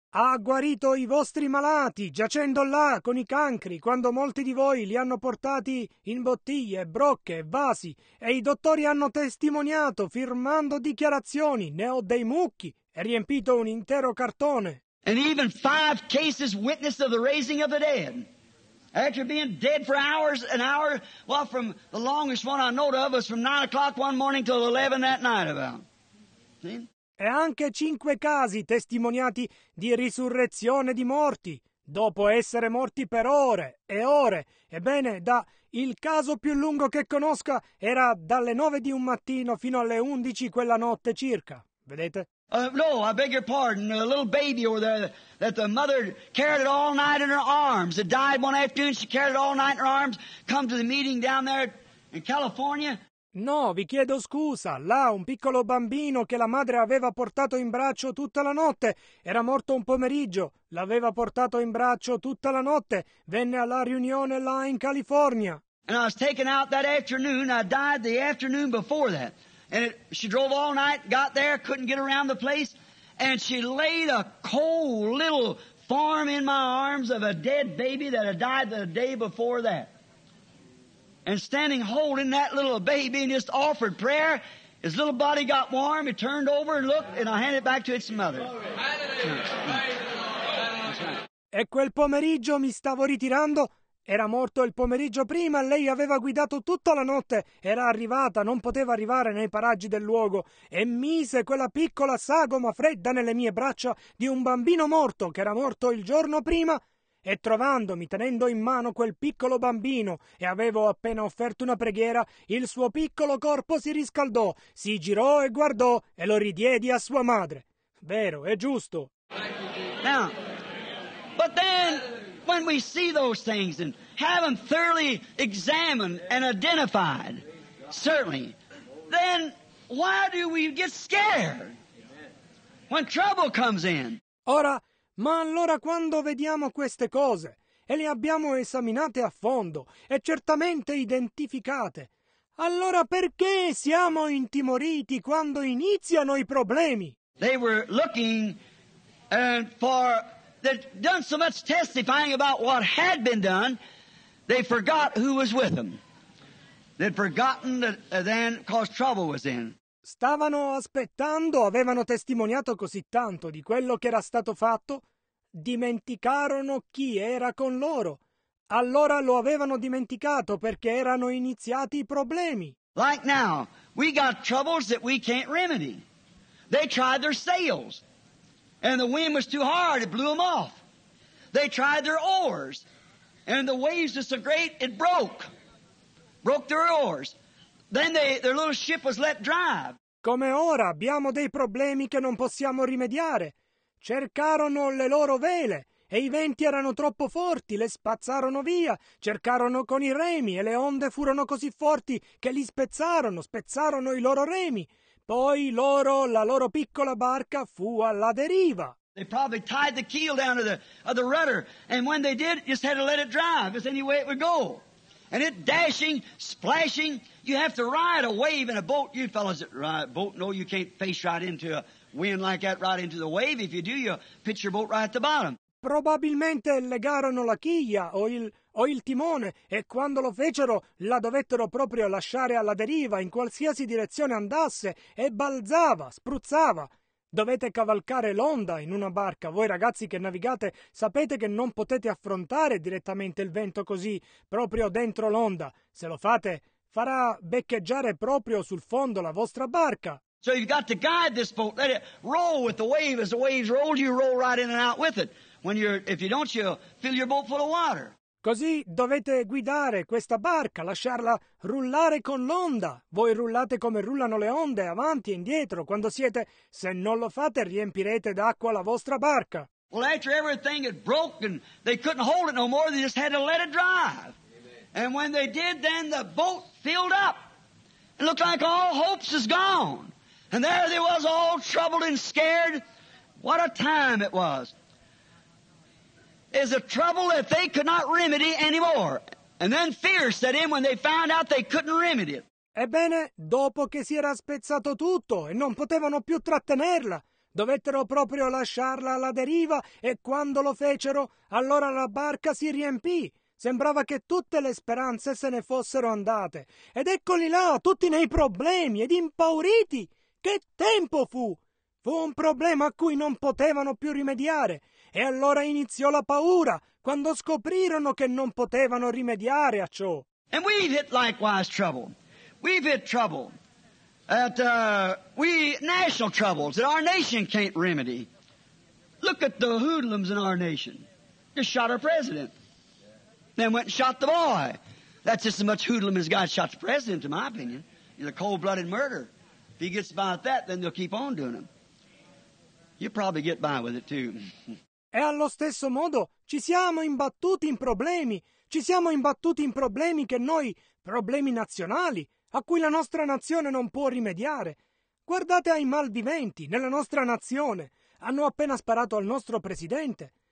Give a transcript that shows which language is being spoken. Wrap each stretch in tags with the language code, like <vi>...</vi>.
<it>Ha guarito i vostri malati, giacendo là con i cancri, quando molti di voi li hanno portati in bottiglie, brocche, vasi, e i dottori hanno testimoniato, firmando dichiarazioni, ne ho dei mucchi, e riempito un intero cartone.</it> <en>And even five cases witness of the raising of the dead. After being dead for hours and hours, well, from the longest one I know of was from 9 o'clock one morning till 11 that night about. See?</en> <it>E anche cinque casi testimoniati di risurrezione di morti, dopo essere morti per ore e ore. Ebbene, il caso più lungo che conosca era dalle 9 di un mattino fino alle 11 quella notte circa. Vedete?</it> <en>No, I beg your pardon. A little baby over there that the mother carried it all night in her arms. It died one afternoon, she carried it all night in her arms. Come to the meeting down there in California.</en> <it>No, vi chiedo scusa. Là, un piccolo bambino che la madre aveva portato in braccio tutta la notte. Era morto un pomeriggio. L'aveva portato in braccio tutta la notte. Venne alla riunione là in California.</it> <en>And I was taken out that afternoon. I died the afternoon before that. And she drove all night, got there, couldn't get around the place. And she laid a cold little form in my arms of a dead baby that had died the day before that. And standing holding that little baby and just offered prayer, his little body got warm, it turned over and looked, and I handed it back to its mother.</en> <it>E quel pomeriggio mi stavo ritirando, era morto il pomeriggio prima, lei aveva guidato tutta la notte, era arrivata, non poteva arrivare nei paraggi del luogo, e mise quella piccola sagoma fredda nelle mie braccia di un bambino morto che era morto il giorno prima. E trovandomi, tenendo in mano quel piccolo bambino, e avevo appena offerto una preghiera, il suo piccolo corpo si riscaldò, si girò e guardò, e lo ridiedi a sua madre. Vero, è giusto.</it> <en>Now, but then, when we see those things and have them thoroughly examined and identified, certainly, then why do we get scared when trouble comes in?</en> <it>Ora, ma allora quando vediamo queste cose e le abbiamo esaminate a fondo e certamente identificate, allora perché siamo intimoriti quando iniziano i problemi?</it> <en>They were looking for they'd done so much testifying about what had been done, they forgot who was with them. They'd forgotten that then caused trouble was in.</en> <it>stavano aspettando, avevano testimoniato così tanto di quello che era stato fatto, dimenticarono chi era con loro. Allora lo avevano dimenticato perché erano iniziati i problemi.</it> <en>Like now, we got troubles that we can't remedy. They tried their sails, and the wind was too hard, it blew them off. They tried their oars, and the waves were so great, it broke their oars. Then their little ship was let drive.</en> <it>Come ora abbiamo dei problemi che non possiamo rimediare. Cercarono le loro vele e i venti erano troppo forti, le spazzarono via. Cercarono con i remi e le onde furono così forti che li spezzarono i loro remi. Poi la loro piccola barca fu alla deriva.</it> <en>They probably tied the keel down to the rudder, and when they did, just had to let it drive, because any way it would go. And it dashing, splashing, you have to ride a wave in a boat. You fellows that ride a boat know you can't face right into a wind like that, right into the wave. If you do, you pitch your boat right at the bottom.</en> <it>Probabilmente legarono la chiglia o il timone, e quando lo fecero la dovettero proprio lasciare alla deriva in qualsiasi direzione andasse, e balzava, spruzzava. Dovete cavalcare l'onda in una barca. Voi ragazzi che navigate sapete che non potete affrontare direttamente il vento così, proprio dentro l'onda. Se lo fate, farà beccheggiare proprio sul fondo la vostra barca.</it> <en>So you've got to guide this boat, let it roll with the wave. As the waves roll, you roll right in and out with it. If you don't, you fill your boat full of water.</en> <it>Così dovete guidare questa barca, lasciarla rullare con l'onda. Voi rullate come rullano le onde, avanti e indietro, quando siete. Se non lo fate, riempirete d'acqua la vostra barca.</it> <en>Well, after everything had broken, they couldn't hold it no more, they just had to let it drive. Amen. And when they did, then the boat filled up. It looked like all hopes is gone. And there they was, all troubled and scared. What a time it was. Is a trouble that they could not remedy anymore. And then fear set in when they found out they couldn't remedy it.</en> <it>Ebbene, dopo che si era spezzato tutto e non potevano più trattenerla, dovettero proprio lasciarla alla deriva, e quando lo fecero, allora la barca si riempì. Sembrava che tutte le speranze se ne fossero andate. Ed eccoli là, tutti nei problemi ed impauriti. Che tempo fu! Fu un problema a cui non potevano più rimediare. E allora iniziò la paura, quando scoprirono che non potevano rimediare a ciò.</it> <en>And we've hit likewise trouble. We've hit trouble. National troubles that our nation can't remedy. Look at the hoodlums in our nation. Just shot our president. Then went and shot the boy. That's just as much hoodlum as God shot the president, in my opinion. He's a cold-blooded murderer. If he gets by with that, then they'll keep on doing him. You probably get by with it too.</en> <it>E allo stesso modo ci siamo imbattuti in problemi. Ci siamo imbattuti in problemi che noi, problemi nazionali, a cui la nostra nazione non può rimediare. Guardate ai malviventi nella nostra nazione. Hanno appena sparato al nostro presidente.</it>